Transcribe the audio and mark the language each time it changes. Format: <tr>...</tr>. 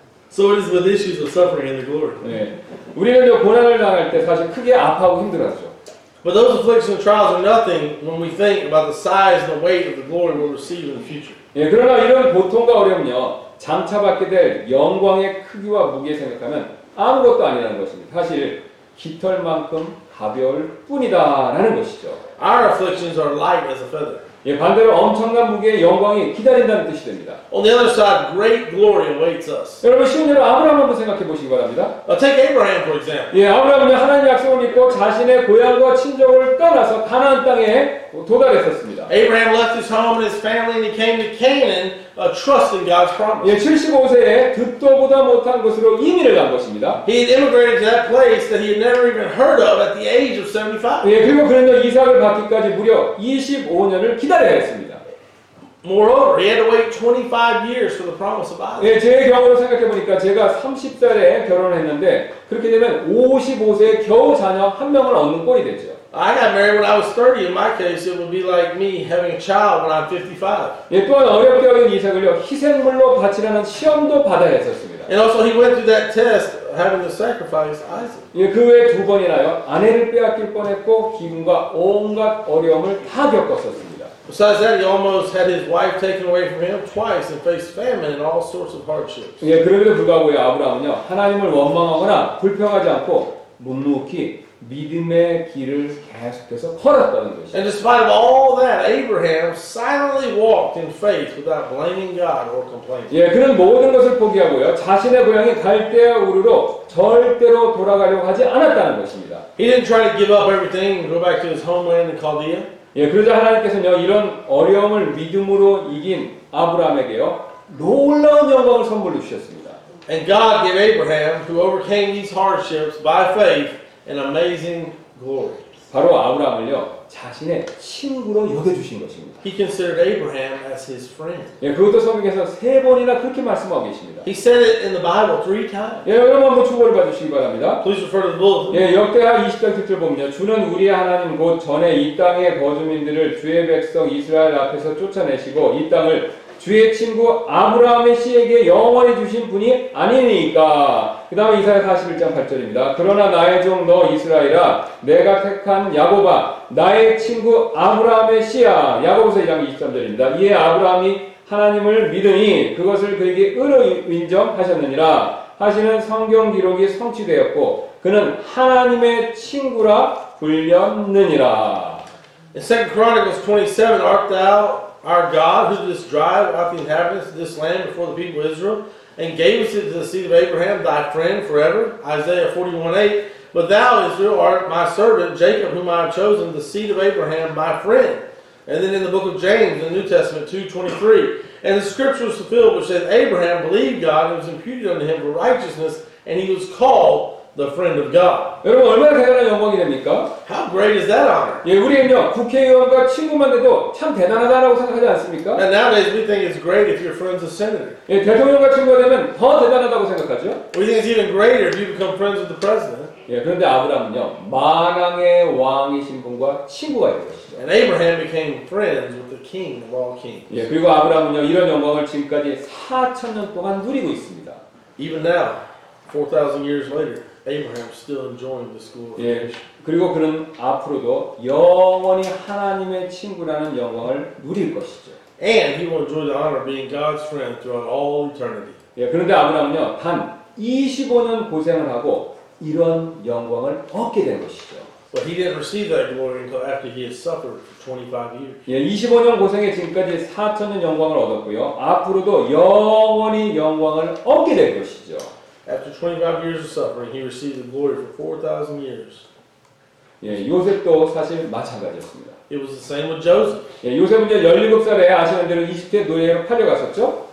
<en>So it is with issues of suffering and the glory.</en> <ko>네, 우리는 고난을 당할 때 사실 크게 아파하고 힘들었죠.</ko> <en>But those afflictions and trials are nothing when we think about the size and the weight of the glory we'll receive in the future.</en> <ko>예, 네, 그러나 이런 고통과 어려움이요 장차 받게 될 영광의 크기와 무게 생각하면 아무것도 아니라는 것입니다. 사실 깃털만큼 가벼울 뿐이다라는 것이죠.</ko> <en>Our afflictions are light as a feather.</en> <ko>예, 반대로 엄청난 무게의 영광이 기다린다는 뜻이 됩니다.</ko> <en>On the other side, great glory awaits us.</en> <ko>여러분 쉬운 예로 아브라함 한번 생각해 보시기 바랍니다.</ko> <en>Take Abraham for example.</en> <ko>예, 아브라함은 하나님의 약속을 믿고 자신의 고향과 친족을 떠나서 가나안 땅에 도달했었습니다.</ko> <en>Abraham left his home and his family and he came to Canaan, trusting God's promise.</en> <ko>예, 75세에 듣도보다 못한 곳으로 이민을 간 것입니다.</ko> <en>He had immigrated to that place that he had never even heard of at the age of 75.</en> <ko>예, 그리고 그는 이삭을 받기까지 무려 25년을 기다려야 했습니다.</ko> <en>Moreover, he had to wait 25 years for the promise of Isaac.</en> <ko>예, 제 경우로 생각해 보니까 제가 30살에 결혼을 했는데 그렇게 되면 55세에 겨우 자녀 한 명을 얻는 꼴이 되죠.</ko> <en>I got married when I was 30. In my case, it would be like me having a child when I'm 55.</en> <ko>예, 또한 어렵게 얻은 이삭을요 희생물로 바치라는 시험도 받아야 했었습니다.</ko> <en>And also, he went through that test, having to sacrifice Isaac.</en> <ko>예, 그 외 두 번이나요 아내를 빼앗길 뻔했고 기분과 온갖 어려움을 다 겪었었습니다.</ko> <en>Besides that, he almost had his wife taken away from him twice and faced famine and all sorts of hardships.</en> <ko>예, 그럼에도 불구하고요 아브라함은요 하나님을 원망하거나 불평하지 않고 묵묵히 믿음의 길을 계속해서 걸었다는 것이죠.</ko> <en>And despite of all that, Abraham silently walked in faith without blaming God or complaining.</en> <ko>예, 그는 모든 것을 포기하고요. 자신의 고향이 갈대아 우르로 절대로 돌아가려고 하지 않았다는 것입니다.</ko> <en>He didn't try to give up everything and go back to his homeland in Chaldea.</en> <ko>예, 그러자 하나님께서는요, 이런 어려움을 믿음으로 이긴 아브라함에게요, 놀라운 영광을 선물로 주셨습니다.</ko> <en>And God gave Abraham, who overcame these hardships by faith, an amazing glory.</en> <ko>바로 아브라함을요 자신의 친구로 여겨주신 것입니다.</ko> <en>He considered Abraham as his friend.</en> <ko>예, 그것도 성경에서 세 번이나 그렇게 말씀하고 계십니다.</ko> <en>He said it in the Bible three times.</en> <ko>예, 여러분 한번 주목을 봐주시기 바랍니다.</ko> <en>Please refer to the bulletin.</en> <ko>예, 역대하 20장 7절 보면요, 주는 우리의 하나님 곧 전에 이 땅의 거주민들을 주의 백성 이스라엘 앞에서 쫓아내시고 이 땅을 주의 친구 아브라함의 씨에게 영원히 주신 분이 아니니까. 그 다음 이사야 41장 8절입니다. 그러나 나의 종 너 이스라엘아, 내가 택한 야곱아, 나의 친구 아브라함의 씨야. 야고보서 2장 23절입니다. 이에 아브라함이 하나님을 믿으니 그것을 그에게 의로 인정하셨느니라 하시는 성경 기록이 성취되었고 그는 하나님의 친구라 불렸느니라.</ko> <en>2 Chronicles 27, art thou our God, who didst drive out the inhabitants of this land before the people of Israel, and gave us it to the seed of Abraham, thy friend forever. Isaiah 41:8. But thou, Israel, art my servant, Jacob, whom I have chosen, the seed of Abraham, my friend. And then in the book of James, in the New Testament 2:23. And the scripture was fulfilled, which said, Abraham believed God, and was imputed unto him for righteousness, and he was called the friend of God.</en> <ko>여러분, 얼마나 대단한 영광이 됩니까?</ko> <en>How great is that honor?</en> <ko>예, 우리는요, 국회의원과 친구만 돼도 참 대단하다라고 생각하지 않습니까?</ko> <en>And nowadays we think it's great if your friend's a senator.</en> <ko>예, 대통령과 친구가 되면 더 대단하다고 생각하죠?</ko> <en>We think it's even greater if you become friends with the president.</en> <ko>예, 그런데 아브라함은요, 만왕의 왕이신 분과 친구가 되었습니다.</ko> <en>And Abraham became friends with the king of all kings.</en> <ko>예, 그리고 아브라함은요, 이런 영광을 지금까지 4천년 동안 누리고 있습니다.</ko> <en>Even now, 4,000 years later, Abraham still enjoying this glory.</en> <ko>예, 그리고 그는 앞으로도 영원히 하나님의 친구라는 영광을 누릴 것이죠.</ko> <en>And he will enjoy the honor of being God's friend throughout all eternity.</en> <ko>예, 그런데 아브라함은요, 단 25년 고생을 하고 이런 영광을 얻게 된 것이죠.</ko> <en>But he didn't receive that glory until after he had suffered for 25 years.</en> <ko>예, 25년 고생에 지금까지 4천년 영광을 얻었고요. 앞으로도 영원히 영광을 얻게 될 것이죠.</ko> <en>After 25 years of suffering, he received the glory for 4,000 years.</en> <ko>예, 요셉도 사실 마찬가지였습니다.</ko> <en>It was the same with Joseph.</en> <ko>예, 요셉은 이제 17살에 아시는 대로 20대 노예로 팔려갔었죠.</ko>